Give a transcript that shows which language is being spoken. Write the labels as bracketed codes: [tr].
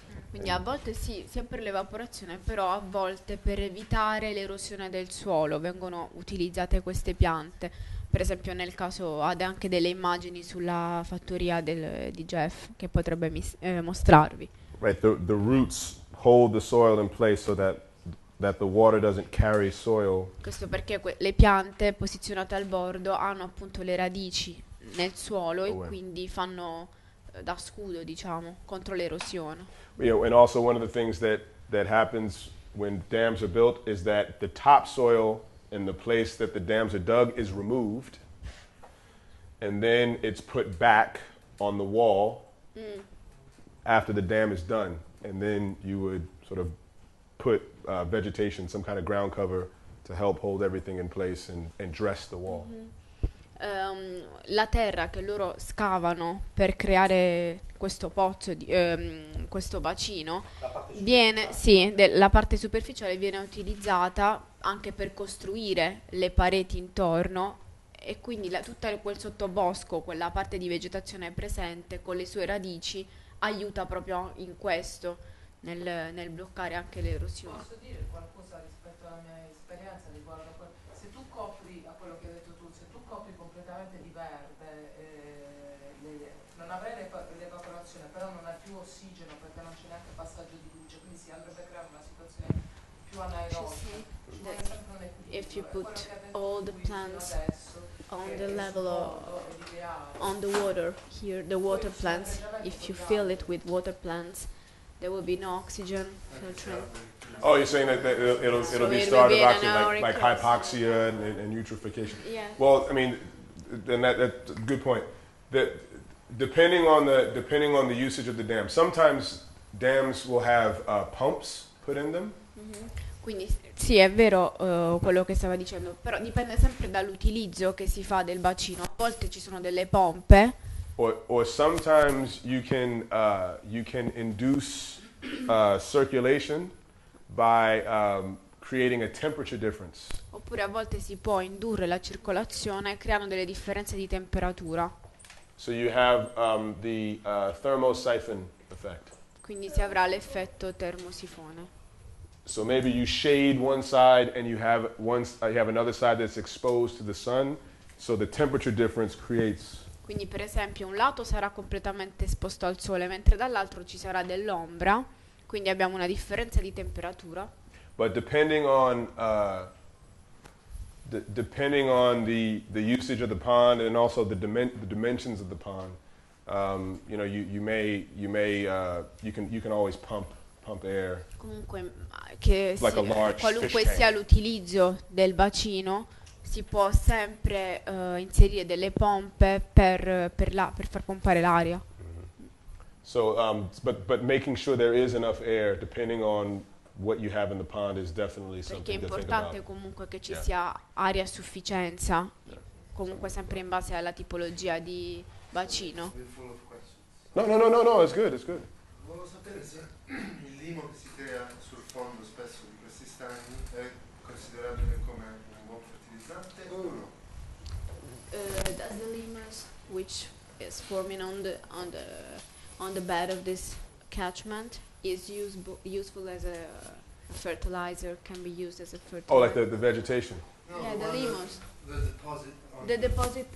[it] Quindi a volte sì, sia per l'evaporazione, però a volte per evitare l'erosione del suolo vengono utilizzate queste piante. Per esempio nel caso, ad anche delle immagini sulla fattoria di Jeff che potrebbe mostrarvi. [en] Right, the roots hold the soil in place so that the water doesn't carry soil. [it] Questo perché le piante posizionate al bordo hanno appunto le radici nel suolo e quindi fanno da scudo, diciamo, contro l'erosione. [en] You know, and also one of the things that happens when dams are built is that the topsoil and the place that the dams are dug is removed, and then it's put back on the wall after the dam is done. And then you would sort of put vegetation, some kind of ground cover, to help hold everything in place and dress the wall. Mm-hmm. [it] La terra che loro scavano per creare questo pozzo, questo bacino, la parte superficiale viene utilizzata anche per costruire le pareti intorno e quindi tutto quel sottobosco, quella parte di vegetazione presente con le sue radici aiuta proprio in questo, nel bloccare anche l'erosione. Posso dire qualcosa rispetto alla mia esperienza riguardo a quello? Se tu copri, a quello che hai detto tu, se tu copri completamente di verde, non avrai l'evaporazione, però non hai più ossigeno perché non c'è neanche passaggio di luce, quindi si andrebbe a creare una situazione più anaerobica. [en] If you put all the plants on the level of on the water here, the water plants, if you fill it with water plants, there will be no oxygen filtering. Oh, you're saying that it'll be started like hypoxia and eutrophication. Yeah. Well, I mean, then that's a good point. That depending on the usage of the dam, sometimes dams will have pumps put in them. [it] Quindi sì, è vero quello che stava dicendo, però dipende sempre dall'utilizzo che si fa del bacino. A volte ci sono delle pompe. [en] Or sometimes you can induce circulation by creating a temperature difference. [it] Oppure a volte si può indurre la circolazione creando delle differenze di temperatura. [en] So you have the thermosiphon effect. [it] Quindi si avrà l'effetto termosifone. [en] So maybe you shade one side and you have another side that's exposed to the sun, so the temperature difference creates. [it] Quindi per esempio un lato sarà completamente esposto al sole, mentre dall'altro ci sarà dell'ombra, quindi abbiamo una differenza di temperatura. [en] But depending on the usage of the pond and also the dimensions of the pond, you can always pump air. [it] Comunque che like sia, qualunque sia l'utilizzo del bacino, si può sempre inserire delle pompe per far pompare l'aria. Mm-hmm. [en] So but making sure there is enough air depending on what you have in the pond is definitely something to think about. [it] Perché è importante comunque che ci sia aria a sufficienza, comunque sempre in base alla tipologia di bacino. [en] No, it's good. [it] Volevo sapere se il limo che si crea sul fondo spesso di questi stagni è considerabile come un buon fertilizzante o no? [en] Does the limas which is forming on the bed of this catchment is useful as a fertilizer, can be used as a fertilizer. Oh, like the vegetation? No, yeah, the limos. The deposit